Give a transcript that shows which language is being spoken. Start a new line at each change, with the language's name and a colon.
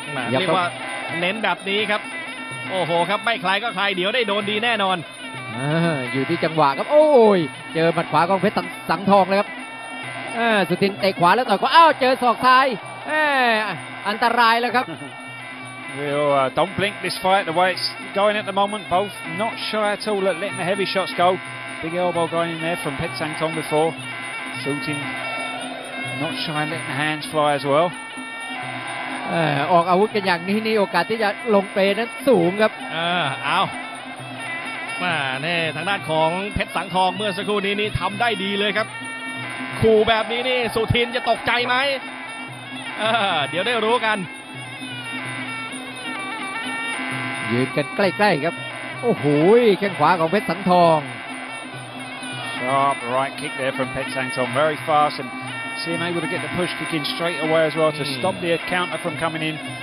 Thai: เรียกว่าเน้นแบบนี้ครับโอ้โหครับไม่ใครก็ใครเดี๋ยวได้โดนดีแน่นอน อยู่ที่จังหวะครับโอ้ยเจอหมัดขวาของเพชรสังทองเลยครับสุทินเตะขวาแล้วต่อยขวาอ้าวเจอศอกซ้ายอันตรายแล้วครับ
English: Well, don't blink this fight the way it's going at the moment. Both not shy at all at letting the heavy shots go. Big elbow going in there from Pet Sang Tong before. Shooting, not shy letting the hands fly as well.
Thai: ออกอาวุธกันอย่างนี้นี่โอกาสที่จะลงเปนั้นสูงครับ เอาแม่แน่ทางด้านของเพชรสังทองเมื่อสักครู่นี้นี่ทำได้ดีเลยครับขู่แบบนี้นี่สุทินจะตกใจไหมเดี๋ยวได้รู้กัน ยืนกันใกล้ๆครับโอ้โหแข้งขวาของเพชรสังทอง
English: sharp right kick there from Pet Sang Tong very fast andSee him able to get the push kick in straight away as well to stop the counter from coming in.